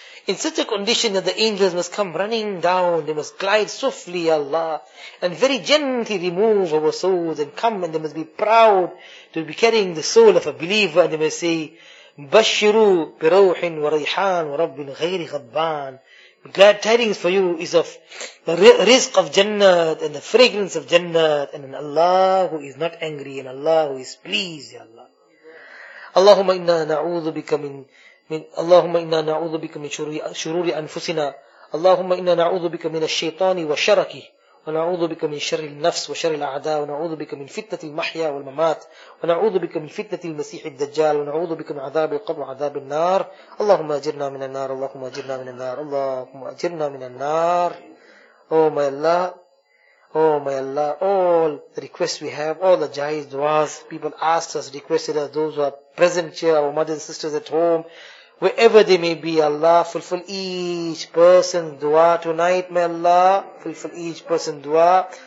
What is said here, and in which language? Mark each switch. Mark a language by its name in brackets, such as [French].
[English] In such a condition that the angels must come running down, they must glide swiftly, ya Allah, and very gently remove our souls and come, and they must be proud to be carrying the soul of a believer, and they must say, [Arabic] Bashiru bi rawhin wa rayhan wa rabbin ghayri ghabban. [English] Glad tidings for you is of the rizq of Jannat and the fragrance of Jannat, and an Allah who is not angry, and Allah who is pleased, ya Allah. [Arabic] Allahumma inna na'udhu bika min اللهم إنا نعوذ بك من شرور أنفسنا اللهم إنا نعوذ بك من الشيطان وشركه ونعوذ بك من شر النفس وشر الأعداء ونعوذ بك من فتنة المحيا والممات ونعوذ بك من فتنة المسيح الدجال ونعوذ بك من عذاب القبر وعذاب النار اللهم أجرنا من النار اللهم أجرنا من النار اللهم أجرنا من النار [English] Oh my Allah, Oh my Allah, all the requests we have, all the jais, duas, people asked us, requested us, those who are present here, our mothers and sisters at home, wherever they may be, Allah, fulfill each person's dua tonight, may Allah, fulfill each person's dua.